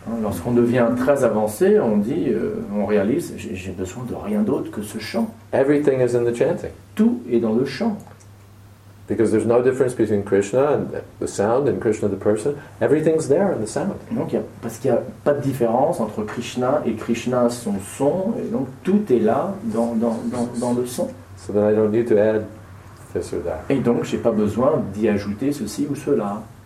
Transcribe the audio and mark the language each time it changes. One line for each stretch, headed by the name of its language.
French: Lorsqu'on devient très avancé, on réalise, j'ai besoin de rien d'autre que ce chant.
English: Everything is in the chanting.
French: Tout est dans le chant.
English: Because there's no difference between Krishna and the sound and Krishna the person. Everything's there in the sound.
French: Donc parce qu'il y a pas de différence entre Krishna et Krishna son son, et donc tout est là dans le son.
English: So then I don't need to add this or that.
French: Et donc j'ai pas besoin d'y ajouter ceci ou cela.